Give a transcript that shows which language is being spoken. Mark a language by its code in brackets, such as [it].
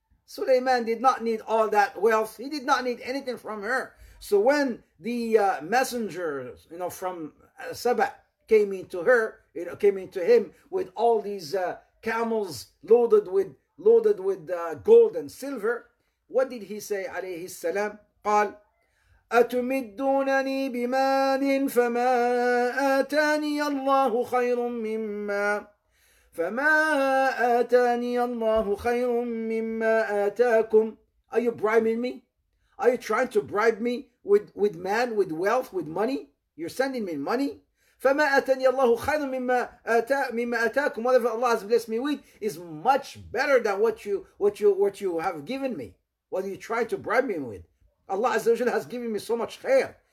[en] Suleiman did not need all that wealth. He did not need anything from her. So when the messengers, you know, from Saba came into her, you know, came into him with all these camels loaded with gold and silver, what did he say, alayhi salam? [ar] قال أتمدونني بمال فما آتاني الله خير مما فما آتاني الله خير مما آتاكم. [en] Are you bribing me? Are you trying to bribe me with man, with wealth, with money? You're sending me money. [ar] فما آتاني الله خير مما آتاكم. [en] Whatever Allah has blessed me with is much better than what you have given me. What are you trying to bribe me with? Allah Azza wa Jalla has given me so much khair.